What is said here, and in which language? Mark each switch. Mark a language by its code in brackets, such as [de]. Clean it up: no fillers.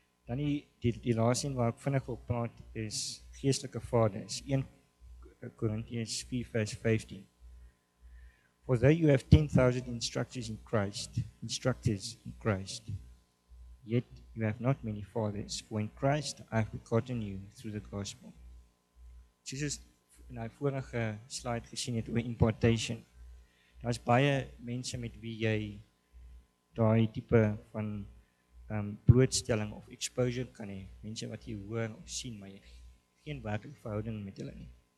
[af] Dan die laaste een waar ek vinnig op praat is geestelike vaders. 1 Korintiërs 4 vers 15. [en] For though you have 10,000 instructors in Christ, yet you have not many fathers, for in Christ I have begotten you through the gospel. [af] Jesus in die vorige slide gesien het oor impartation. Daar is baie mense met wie jy daai tipe van blootstelling of exposure kan hê, mense wat jy hoor of sien, maar jy geen werklike verhouding met hulle nie.